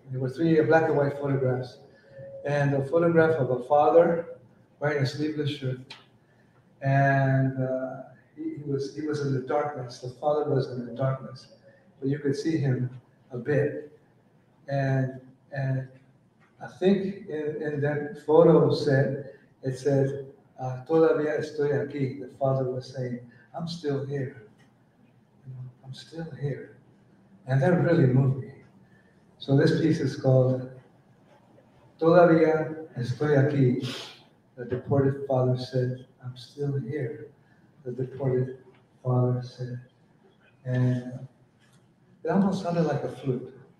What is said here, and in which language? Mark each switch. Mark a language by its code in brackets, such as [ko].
[en] There were three black and white photographs, and a photograph of a father wearing a sleeveless shirt, and he was in the darkness. The father was in the darkness, but you could see him a bit, and And I think in that photo set, it says, [es] todavía estoy aquí. [en] The father was saying, I'm still here. I'm still here. And that really moved me. So this piece is called Todavía Estoy Aquí. The deported father said, I'm still here. The deported father said. And it almost sounded like a flute.